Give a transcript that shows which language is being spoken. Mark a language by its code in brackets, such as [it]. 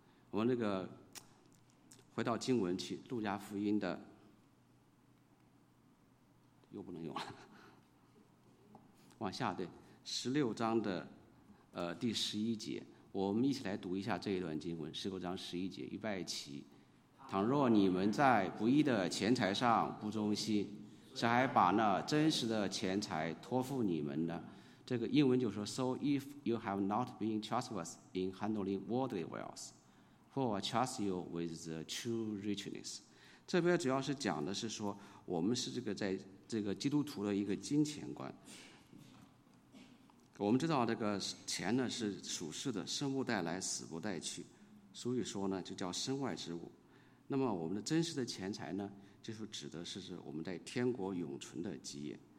[zh] 我们这个回到经文去，路加福音的又不能用了，往下，对，16章的第11节，我们一起来读一下这一段经文，16章11节，预备起。倘若你们在不义的钱财上不忠心，谁还把那真实的钱财托付你们呢？这个英文就说 [en] So if you have not been trustworthy in handling worldly wealth, For I trust you with the true richness. [zh] 这边主要是讲的是说我们是这个在这个基督徒的一个金钱观。我们知道这个钱呢是属世的，生不带来死不带去，所以说呢就叫身外之物。那么我们的真实的钱财呢，就是指的是我们在天国永存的基业。